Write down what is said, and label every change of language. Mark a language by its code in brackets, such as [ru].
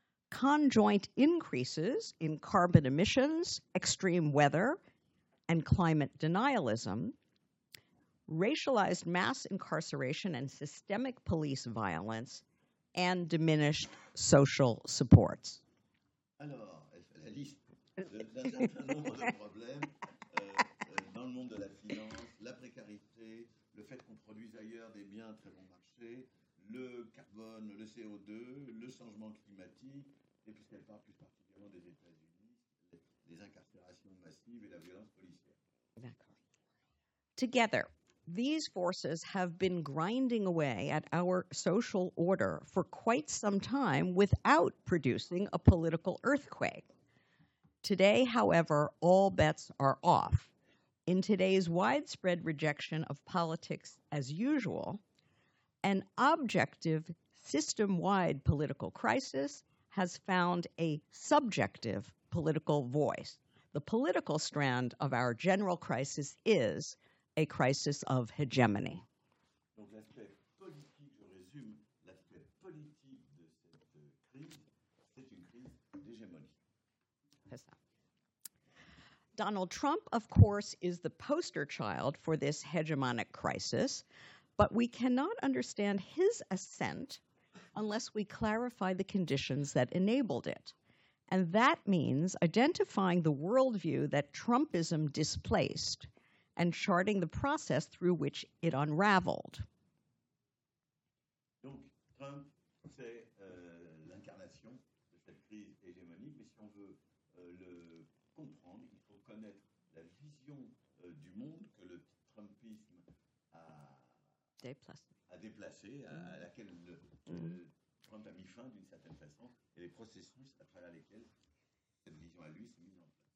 [en] conjoint increases in carbon emissions, extreme weather, and climate denialism, racialized mass incarceration and systemic police violence, and diminished social supports. [fr] Alors, la liste d'un certain nombre de problèmes. Dans le monde de la finance, la précarité, le fait qu'on produise ailleurs des biens à très bon marché, le carbone, le CO2, le changement climatique, et puisqu'elle parle plus particulièrement des États-Unis, les incarcérations massives et la violence policière. D'accord. [en] Together, these forces have been grinding away at our social order for quite some time without producing a political earthquake. Today, however, all bets are off. In today's widespread rejection of politics as usual, an objective system-wide political crisis has found a subjective political voice. The political strand of our general crisis is a crisis of hegemony. [fr] Donc l'aspect politique, je résume, l'aspect politique de cette crise, c'est une crise d'hégémonie. C'est ça. [en] Donald Trump, of course, is the poster child for this hegemonic crisis, but we cannot understand his ascent unless we clarify the conditions that enabled it. And that means identifying the worldview that Trumpism displaced and charting the process through which it unraveled. [fr] Donc, Trump, c'est l'incarnation de cette crise hégémonique, mais si on veut le comprendre, il faut connaître la vision du monde que le Trumpisme a déplacé, à laquelle Trump a mis fin d'une certaine façon, et les processus à travers lesquels cette vision à lui s'est mise en place.